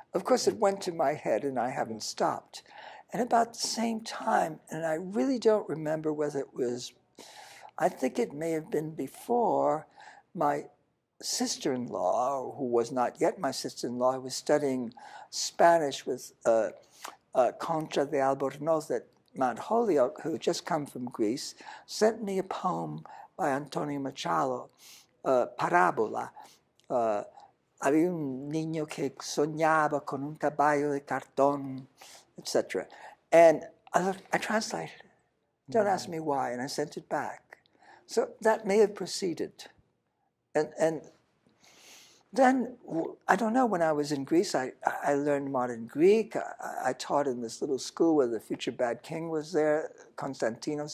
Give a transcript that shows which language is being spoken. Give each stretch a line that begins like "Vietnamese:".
English: Of course, it went to my head and I haven't stopped. And about the same time, and I really don't remember whether it was, I think it may have been before, my sister-in-law, who was not yet my sister-in-law, was studying Spanish with Concha de Albornoz at Mount Holyoke, who had just come from Greece, sent me a poem by Antonio Machado, Parabola.
Spanish: Había un niño que soñaba con un caballo de cartón, etc.
English: And I translated it. Don't ask me why, and I sent it back. So that may have proceeded. And then, I don't know, when I was in Greece, I learned modern Greek. I taught in this little school where the future bad king was there, Konstantinos.